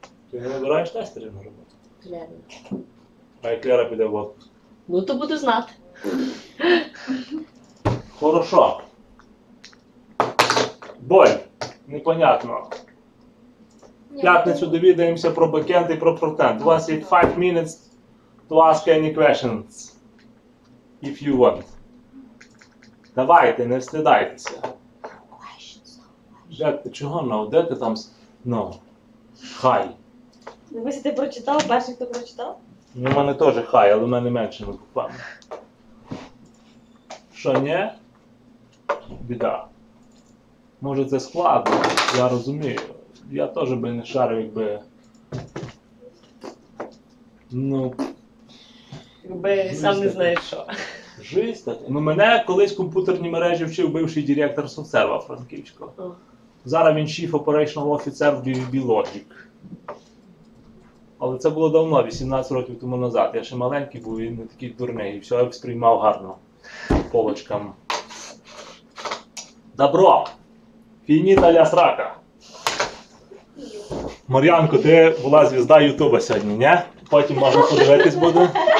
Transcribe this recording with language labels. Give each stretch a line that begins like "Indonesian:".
Ukrainian: Ти не набираєш тестерів на роботу? Клера. А як Клера піде в отпуск? Ну, то буду знати.
Russian: Хорошо. Боль. Непонятно.
Ukrainian: В п'ятницю довідаємося про бекенд і про фронтенд.
English: 25 minutes to ask any questions, if you want.
Ukrainian: Давайте, не встидайтеся. Де, чого, ну, де ти там, ну, хай. Дивись, ти прочитав, перший, хто прочитав? У мене теж хай, але в мене менше викупано. Що, ні? Біда. Може, це складно, я розумію. Я теж би не шарив, якби... Ну... Якби сам не знаєш, що. Жизнь така. Ну, мене колись комп'ютерні мережі вчив бивший директор соцсерва Франківського. Зараз він Chief Operational Officer в BVB Logic. Але це було давно, 18 років тому назад. Я ще маленький був, він не такий дурний. І все я сприймав гарно. Полочкам. Добро! Фініта ля срака! Мар'янко, ти була звізда Ютуба сьогодні, ні? Потім можна подивитись буде.